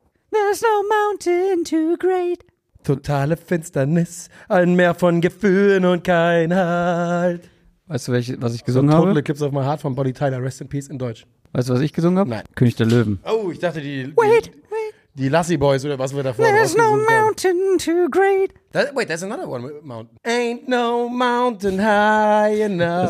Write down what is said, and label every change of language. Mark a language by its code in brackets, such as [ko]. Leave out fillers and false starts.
[en] There's no mountain too great. [de] Totale Finsternis, ein Meer von Gefühlen und kein Halt. Weißt du, was ich gesungen habe? Total Eclipse of My Heart von Bonnie Tyler, Rest in Peace in Deutsch. Weißt du, was ich gesungen habe? Nein. König der Löwen. Oh, ich dachte die Lassie Boys oder was wir da vorhin [en] There's no mountain too great. Wait, there's another one. Mountain. Ain't no mountain high enough.